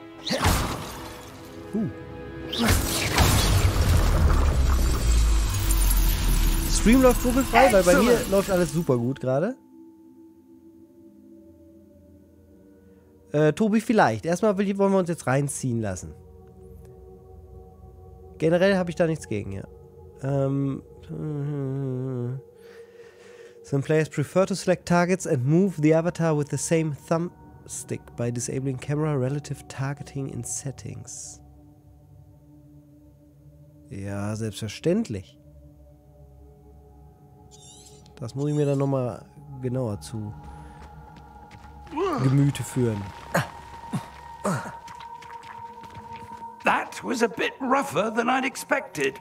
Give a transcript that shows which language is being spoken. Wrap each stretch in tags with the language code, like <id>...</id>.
<de>Stream läuft ruckelfrei, weil bei mir läuft alles super gut gerade. Tobi, vielleicht. Erstmal wollen wir uns jetzt reinziehen lassen. Generell habe ich da nichts gegen, ja.</de> <en>Some players prefer to select targets and move the avatar with the same thumbstick by disabling camera relative targeting in settings.</en> <de>Ja, selbstverständlich. Das muss ich mir dann nochmal genauer zu Gemüte führen.</de> <en>That was a bit rougher than I'd expected.</en>